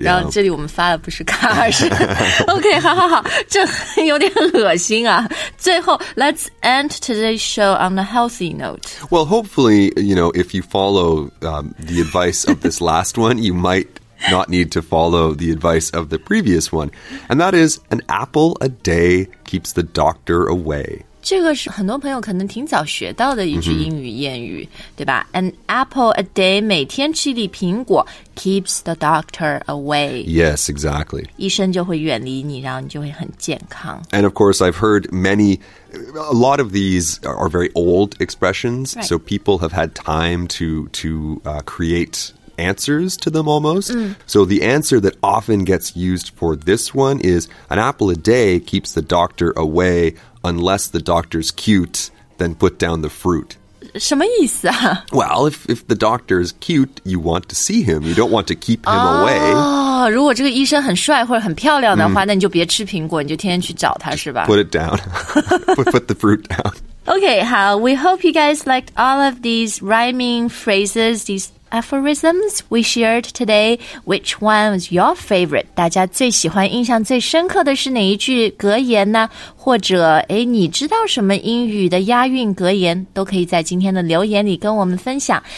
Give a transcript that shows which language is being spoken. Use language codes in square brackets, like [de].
[zh] 然后这里我们发的不是卡 是 OK, 好好好这有点恶心啊最后 [en] Let's end today's show on a healthy note. Well, hopefully, you know, if you follow the advice of this last one, you might not need to follow the advice of the previous one. And that is, an apple a day keeps the doctor away. [zh] 这个是很多朋友可能挺早学到的一句英语谚语、mm-hmm. 对吧 [en] An apple a day [zh] 每天吃一粒苹果 [en] keeps the doctor away Yes, exactly [zh] 医生就会远离你然后你就会很健康 [en] And of course I've heard many A lot of these are very old expressions、 right. So people have had time to create answers to them almost、So the answer that often gets used for this one is An apple a day keeps the doctor away unless the doctor's cute, then put down the fruit. [zh] 什么意思啊? [en] Well, if the doctor is cute, you want to see him. You don't want to keep him away. [zh] 如果这个医生很帅或者很漂亮的话,那你就别吃苹果,你就天天去找他,是吧? [en] Put it down. put the fruit down. Okay, 好, we hope you guys liked all of these rhyming phrases, these aphorisms we shared today. Which one was your favorite? [zh] 大家最喜欢印象最深刻的是哪一句格言呢？或者你知道什么英语的押韵格言？都可以在今天的留言里跟我们分享。